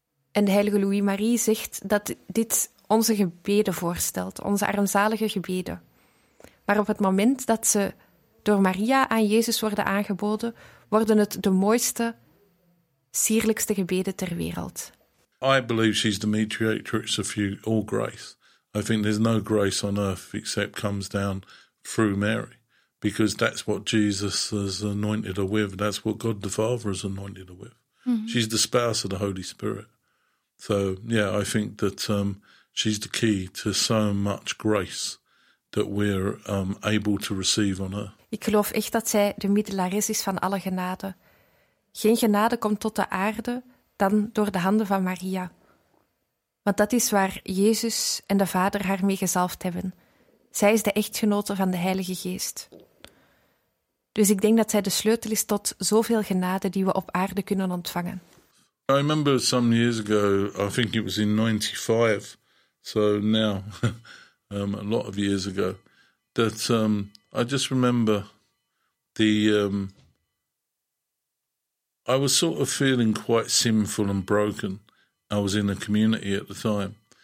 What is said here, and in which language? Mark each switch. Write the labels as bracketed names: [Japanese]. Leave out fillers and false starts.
[Dutch] En de heilige Louis-Marie zegt dat dit onze gebeden voorstelt, onze armzalige gebeden. Maar op het moment dat ze door Maria aan Jezus worden aangeboden, worden het de mooiste, sierlijkste gebeden ter wereld. [English] I believe she's the mediatrix of all grace. I think there's no grace on earth except comes down through Mary, because that's what Jesus has anointed her with. That's what God the Father has anointed her with. Mm-hmm. She's the spouse of the Holy Spirit. So, yeah, I think that she's the key to so much grace that we're able to receive on her. [Dutch] Ik geloof echt dat zij de middelares is van alle genade. Geen genade komt tot de aarde dan door de handen van Maria. Want dat is waar Jezus en de Vader haar mee gezalfd hebben. Zij is de echtgenote van de Heilige Geest. Dus ik denk dat zij de sleutel is tot zoveel genade die we op aarde kunnen ontvangen. [English] I remember some years ago, I think it was in 95, so now, a lot of years ago, that I just remember the... I was sort of feeling quite sinful and broken. I was in a community at the time.